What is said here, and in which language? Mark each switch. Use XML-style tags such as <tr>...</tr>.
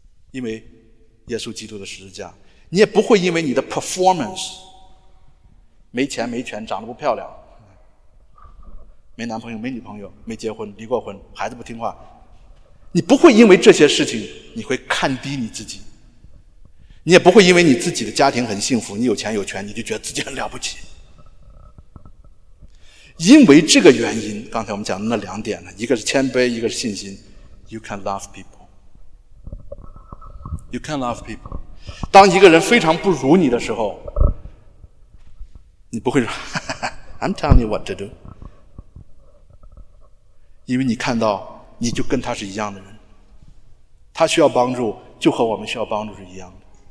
<zh>因为耶稣基督的十字架，你也不会因为你的 performance， 没钱没权，长得不漂亮，没男朋友没女朋友，没结婚，离过婚，孩子不听话，你不会因为这些事情你会看低你自己，你也不会因为你自己的家庭很幸福，你有钱有权，你就觉得自己很了不起。因为这个原因，刚才我们讲的那两点，一个是谦卑，一个是信心。</zh> <en>You can love people, you can love people。</en> <zh>当一个人非常不如你的时候，你不会说</zh> <en>I'm telling you what to do，</en> <zh>因为你看到你就跟他是一样的人，他需要帮助就和我们需要帮助是一样的。</zh>